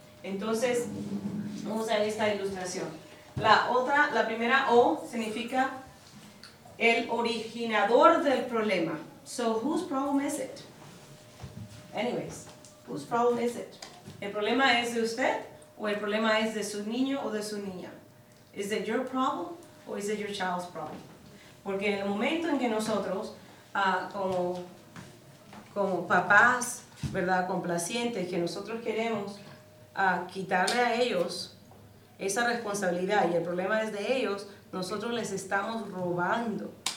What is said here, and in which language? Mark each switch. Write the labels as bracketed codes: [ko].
[es] Entonces, vamos a ver esta ilustración. La primera O significa el originador del problema. [en] So, whose problem is it? Anyways, whose problem is it? [es] ¿El problema es de usted o el problema es de su niño o de su niña? [en] Is it your problem or is it your child's problem? [es] Porque en el momento en que nosotros, como papás, ¿verdad?, complacientes, que nosotros queremos quitarle a ellos esa responsabilidad y el problema es de ellos, Nosotros les estamos robando.